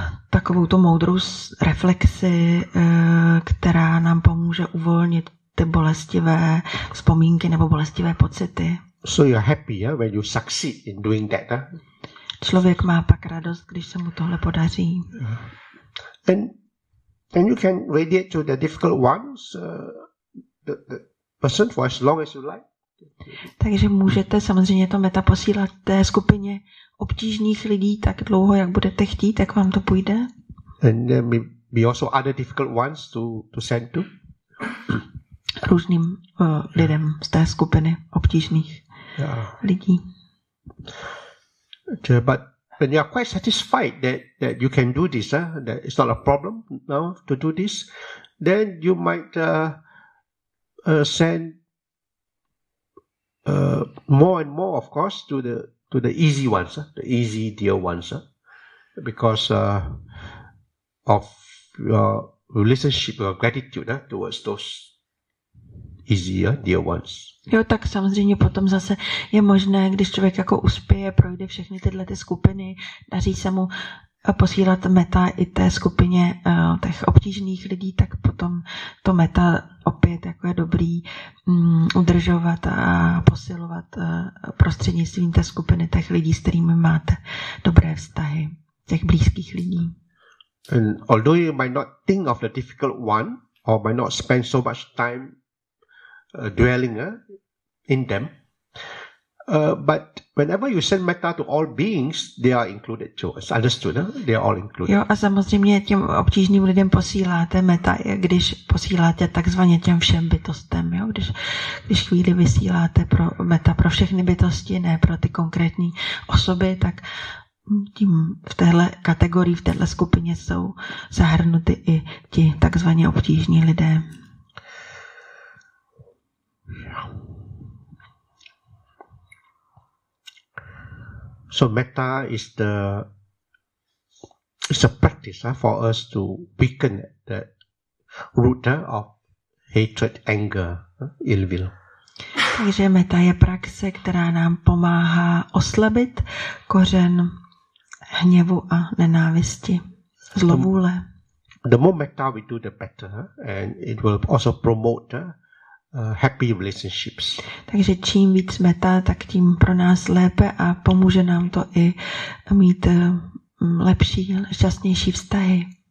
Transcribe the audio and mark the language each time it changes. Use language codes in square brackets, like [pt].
[cs] takovou tu moudrou reflexi, která nám pomůže uvolnit ty bolestivé vzpomínky nebo bolestivé pocity. [en] So you're happy, yeah, when you succeed in doing that. Huh? [cs] Člověk má pak radost, když se mu tohle podaří. [en] And you can radiate to the difficult ones, the person for as long as you like. [cs] Takže můžete samozřejmě to meta posílat té skupině obtížných lidí tak dlouho, jak budete chtít, tak vám to půjde. [en] And there may be also other difficult ones to send to. [cs] Různým lidem z té skupiny obtížných lidí. [en] Okay, but when you are quite satisfied that you can do this, that it's not a problem now to do this, then you might send more and more, of course, to the easy ones, the easy dear ones, because of your relationship, your gratitude towards those easier dear ones. [cs] Jo, tak samozřejmě potom zase je možné, když člověk jako uspěje, projde všechny tyhle ty skupiny, daří se mu posílat meta i té skupině těch obtížných lidí, tak potom to meta opět jako je dobrý udržovat a posilovat prostřednictvím té skupiny těch lidí, s kterými máte dobré vztahy, těch blízkých lidí. [en] And although you might not think of the difficult one or might not spend so much time dwelling in them, but whenever you send metta to all beings, they are included too. It's understood, they are all included. [cs] Jo, a samozřejmě těm obtížným lidem posíláte metta, když posíláte takzvaně těm všem bytostem, jo? Když chvíli vysíláte pro metta pro všechny bytosti, ne pro ty konkrétní osoby, tak tím v téhle kategorii, v téhle skupině jsou zahrnuty i ti takzvaně obtížní lidé. [en] So metta is the a practice for us to weaken the root of hatred, anger, ill will. [cs] Takže metta je praxe, která nám pomáhá oslabit kořen hněvu a nenávisti, zlovůle. [en] The more metta we do, the better, and it will also promote happy relationships. [cs] Takže čím víc meta, tak tím pro nás lépe a pomůže nám to i mít lepší, šťastnější vztahy.